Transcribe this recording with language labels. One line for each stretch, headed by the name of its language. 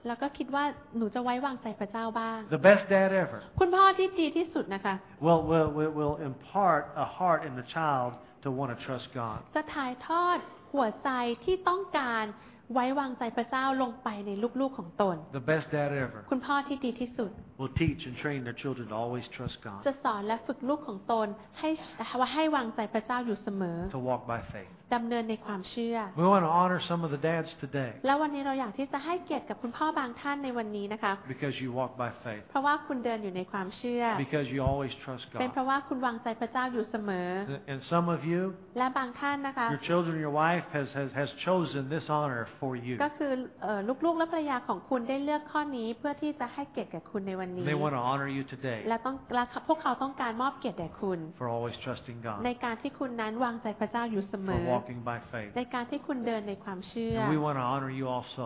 Thai: แล้วก็คิดว่าหนูจะไว้วางใจพระเจ้าบ้าง
English: The best dad ever.
Thai: คุณพ่อที่ดีที่สุดนะคะ
English: Will impart a heart in the child to want to trust God.
Thai: จะถ่ายทอดหัวใจที่ต้องการไว้วางใจพระเจ้าลงไปในลูกๆของตน
English: The best dad ever.
Thai: คุณพ่อที่ดีที่สุด
English: Will teach and train their children to always trust God.
Thai: จะสอนและฝึกลูกของตนให้วางใจพระเจ้าอยู่เสมอ
English: To walk by faith.
Thai: ดำเนินในความเชื่อ
English: We want to honor some of the dads today.
Thai: แล้ววันนี้เราอยากที่จะให้เกียรติกับคุณพ่อบางท่านในวันนี้นะคะ
English: Because you walk by faith.
Thai: เพราะว่าคุณเดินอยู่ในความเชื่อ
English: Because you always trust God.
Thai: เป็นเพราะว่าคุณวางใจพระเจ้าอยู่เสมอ
English: And some of you.
Thai: และบางท่านนะคะ
English: Your children, your wife has chosen this honor for you.
Thai: ก็คือลูกๆและภรรยาของคุณได้เลือกข้อนี้เพื่อที่จะให้เกียรติแก่คุณใน
English: They want to honor you today.
Thai: และต้องและพวกเขาต้องการมอบเกียรติแด่คุณ
English: For always trusting God.
Thai: ในการที่คุณนั้นวางใจพระเจ้าอยู่เสมอ
English: For walking by faith.
Thai: ในการที่คุณเดินในความเชื่อ
English: And we want to honor you also.